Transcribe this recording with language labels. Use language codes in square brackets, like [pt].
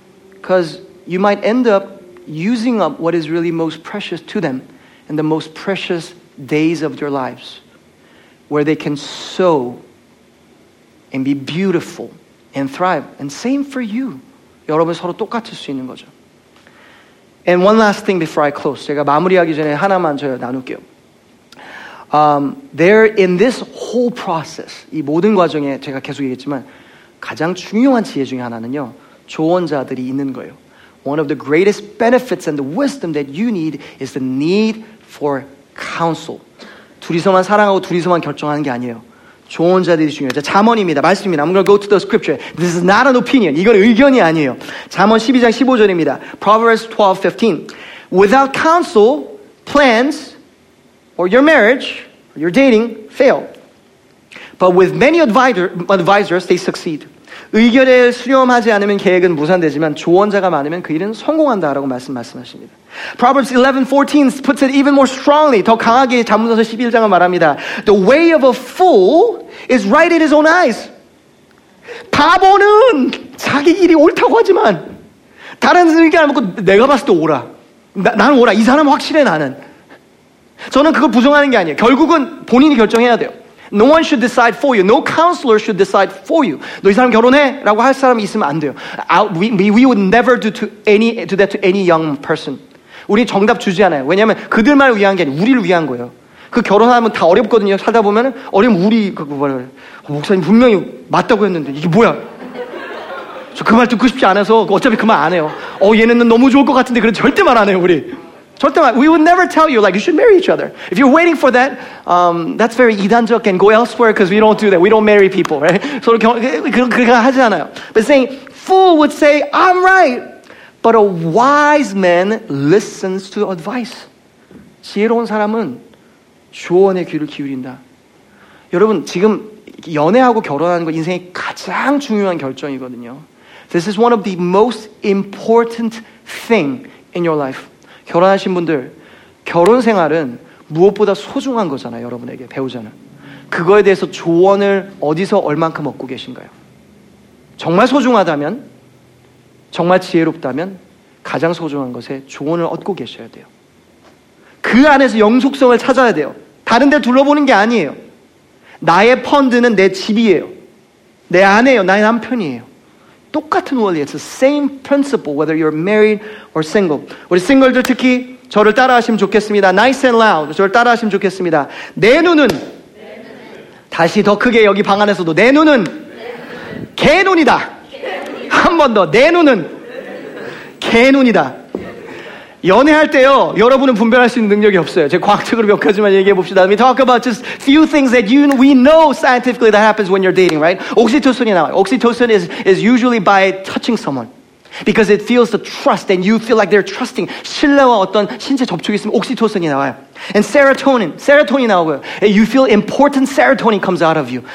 [en] Because you might end up using up what is really most precious to them in the most precious days of their lives where they can sow and be beautiful, and thrive. And same for you. [ko] 여러분 서로 똑같을 수 있는 거죠. [en] And one last thing before I close. [ko] 제가 마무리하기 전에 하나만 저 나눌게요. [en] There in this whole process, [ko] 이 모든 과정에 제가 계속 얘기했지만 가장 중요한 지혜 중에 하나는요. 조언자들이 있는 거예요. [en] One of the greatest benefits and the wisdom that you need is the need for counsel. [ko] 둘이서만 사랑하고 둘이서만 결정하는 게 아니에요. 조언자들이 중요해요. 자, 잠언입니다. 말씀입니다. [en] I'm going to go to the scripture. This is not an opinion. [ko] 이건 의견이 아니에요. 잠언 12장 15절입니다. [en] Proverbs 12:15. Without counsel, plans or your marriage or your dating fail. But with many advisors, they succeed. [ko] 의견을 수렴하지 않으면 계획은 무산되지만 조언자가 많으면 그 일은 성공한다라고 말씀하십니다. [en] Proverbs 11:14 puts it even more strongly. [ko] 더 강하게 잠언서 11장을 말합니다. [en] The way of a fool is right in his own eyes. [ko] 바보는 자기 길이 옳다고 하지만 다른 의견 안 먹고 내가 봤을 때 옳아. 나는 옳아. 이 사람 확실해 나는. 저는 그걸 부정하는 게 아니에요. 결국은 본인이 결정해야 돼요. [en] No one should decide for you. No counselor should decide for you. [ko] 너 이 사람 결혼해? 라고 할 사람이 있으면 안 돼요. [en] We would never do that to any young person. [ko] 우린 정답 주지 않아요. 왜냐하면 그들만 위한 게 아니라 우리를 위한 거예요. 그 결혼하면 다 어렵거든요. 살다 보면 어려우면 우리 목사님 분명히 맞다고 했는데 이게 뭐야? 저 그 말 듣고 싶지 않아서 어차피 그 말 안 해요. 얘네는 너무 좋을 것 같은데 그래 절대 말 안 해요 우리. 절대 말, [en] we would never tell you like you should marry each other. If you're waiting for that, that's very 이단적 and go elsewhere because we don't do that. We don't marry people, right? [ko] 그렇게 하지 않아요. [en] But saying, fool would say, I'm right. But a wise man listens to advice. [ko] 지혜로운 사람은 조언에 귀를 기울인다. 여러분, 지금 연애하고 결혼하는 거 인생의 가장 중요한 결정이거든요. [en] This is one of the most important thing in your life. [ko] 결혼하신 분들, 결혼 생활은 무엇보다 소중한 거잖아요, 여러분에게, 배우자는. 그거에 대해서 조언을 어디서 얼만큼 얻고 계신가요? 정말 소중하다면, 정말 지혜롭다면 가장 소중한 것에 조언을 얻고 계셔야 돼요. 그 안에서 영속성을 찾아야 돼요. 다른 데 둘러보는 게 아니에요. 나의 펀드는 내 집이에요. 내 아내예요. 나의 남편이에요. 똑같은 원리. [en] It's the same principle whether you're married or single. [ko] 우리 싱글들 특히 저를 따라하시면 좋겠습니다. [en] Nice and loud. [ko] 저를 따라하시면 좋겠습니다. 내 눈은 다시 더 크게 여기 방 안에서도 내 눈은 개눈이다. 한 번 더. 내 눈은 개눈이다. 연애할 때요, 여러분은 분별할 수 있는 능력이 없어요. 제 과학적으로 몇 가지만 얘기해 봅시다. [en] Let me talk about just few things that you, we know scientifically that happens when you're dating, right? [ko] 옥시토신이 나와요. [en] Oxytocin is usually by touching someone. Because it feels the trust and you feel like they're trusting. [ko] 신뢰와 어떤 신체 접촉이 있으면 옥시토신이 나와요. [en] And serotonin [ko] 나오고요. [en] You feel important serotonin comes out of you.